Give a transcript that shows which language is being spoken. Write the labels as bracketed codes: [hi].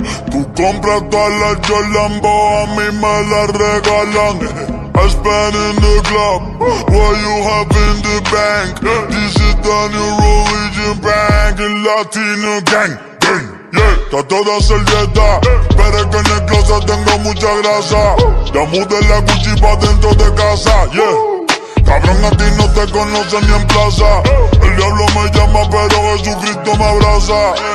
[es] Tú compras todas las Yolambo, a mí me las regalan. [en] I spend in the club, what you have in the bank? This is the new religion bank, [es] el latino [en] gang, gang. [es] Yeah, está toda servieta, pero es que en el closet tengo mucha grasa. Ya mudé la Gucci pa' dentro de casa, yeah. Cabrón, a ti no te conoce ni en plaza. El diablo me llama, pero Jesucristo me abraza.